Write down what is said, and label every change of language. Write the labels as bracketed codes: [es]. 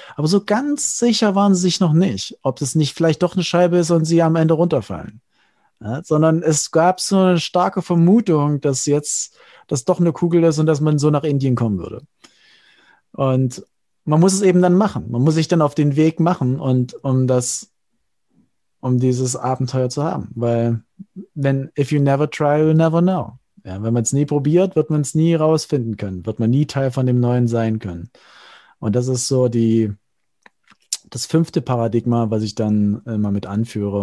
[de] Aber so ganz sicher waren sie sich noch nicht, ob das nicht vielleicht doch eine Scheibe ist und sie am Ende runterfallen. Ja, sondern es gab so eine starke Vermutung, dass jetzt das doch eine Kugel ist und dass man so nach Indien kommen würde. Und man muss es eben dann machen. Man muss sich dann auf den Weg machen und um dieses Abenteuer zu haben. Weil [en] if you never try, you never know. [de] Ja, wenn man es nie probiert, wird man es nie rausfinden können. Wird man nie Teil von dem Neuen sein können. Und das ist so das fünfte Paradigma, was ich dann immer mit anführe.